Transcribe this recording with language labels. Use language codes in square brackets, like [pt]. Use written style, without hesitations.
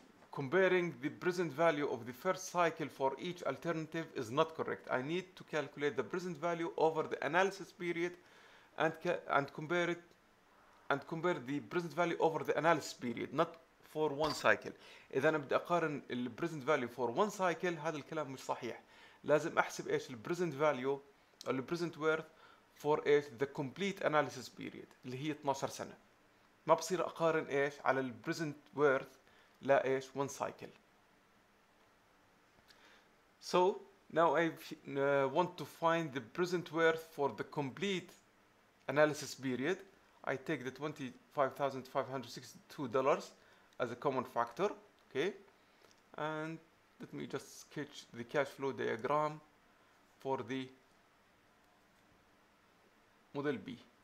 [en] Comparing the present value of the first cycle for each alternative is not correct. I need to calculate the present value over the analysis period and compare the present value over the analysis period, not for one cycle. [ar] إذا أنا بدي أقارن [en] the present value for one cycle, [ar] هذا الكلام مش صحيح. لازم أحسب إيش [en] the present value or the present worth for [ar] إيش [en] the complete analysis period [ar] اللي هي 12 سنة. ما بصير أقارن إيش على [en] the present worth [ar] لا إيش [en] one cycle. So now I want to find the present worth for the complete analysis period. I take the $25,562 as a common factor, okay? And let me just sketch the cash flow diagram for the model B.